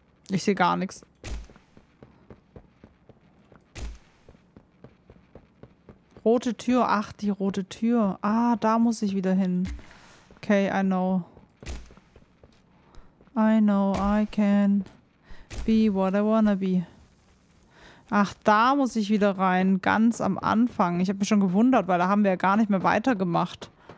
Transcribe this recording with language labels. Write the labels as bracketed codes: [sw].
[de] Ich sehe gar nichts. Rote Tür. Ach, die rote Tür. Ah, da muss ich wieder hin. [en] Okay, I know. I know I can be what I wanna be. [de] Ach, da muss ich wieder rein. Ganz am Anfang. Ich habe mich schon gewundert, weil da haben wir ja gar nicht mehr weitergemacht.